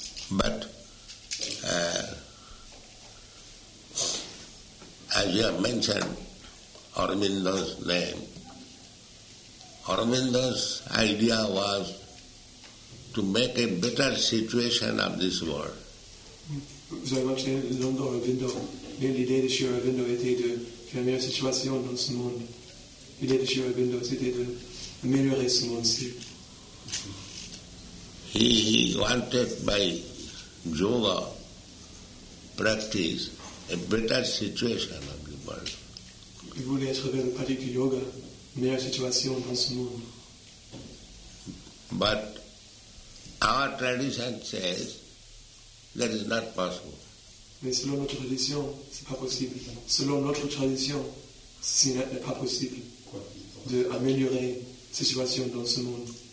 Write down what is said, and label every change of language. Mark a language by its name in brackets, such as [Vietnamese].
[English] But as you have mentioned Aurobindo's name, Aurobindo's idea was to make a better situation of this world. [French] Vous avez mentionné le nom d'Aurobindo, mais l'idée de Sri Aurobindo était de faire une meilleure situation dans ce monde. L'idée de Sri Aurobindo, c'était de améliorer ce monde-ci. [English] He wanted by yoga practice a better situation. [French] Il voulait être dans la pratique du yoga, une meilleure situation dans ce monde. [English] But our tradition says that is not possible. [French] Mais selon notre tradition, c'est pas possible. Selon notre tradition, ce n'est pas possible d'améliorer la situation dans ce monde.